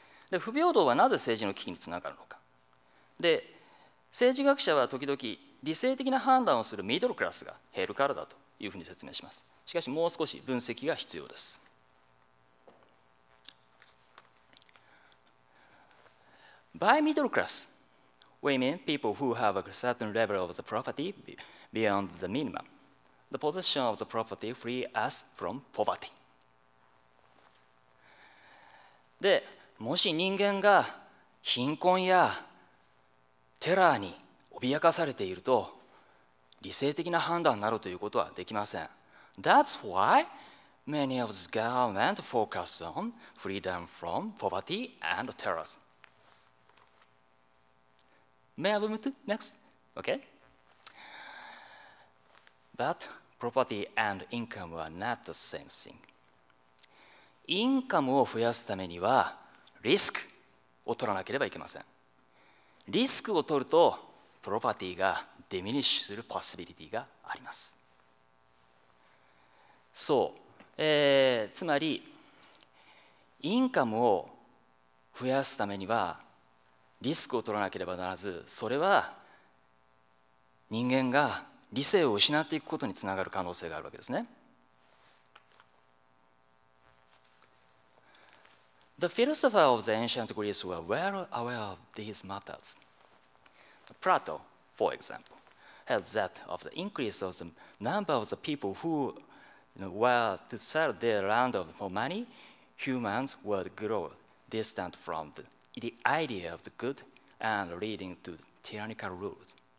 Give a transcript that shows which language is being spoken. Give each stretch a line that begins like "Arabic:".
Japanese: で、不平等はなぜ政治の危機につながるのか。で、政治学者は時々理性的な判断をするミドルクラスが減るからだというふうに説明します。しかしもう少し分析が必要です。
English: By middle class, we mean people who have a certain level of the property beyond the minimum. The possession of the property frees us from poverty.
Japanese: で、もし人間が貧困やテラーに脅かされていると、理性的な判断になるということはできません。
English: That's why many of the government focus on freedom from poverty and terrorism. May I move to next? Okay. But property and income are not the same thing.
Japanese: インカムを増やすためにはリスクを取らなければいけません。リスクを取るとプロパティがディミニッシュするポシビリティがあります。そう、つまりインカムを増やすためにはリスクを取らなければならず、それは人間が理性を失っていくことにつながる可能性があるわけですね。
English: The philosophers of the ancient Greece were well aware of these matters. Plato, for example, held that of the increase of the number of the people who were to sell their land for money, humans would grow distant from theThe idea of the good and leading to tyrannical rules.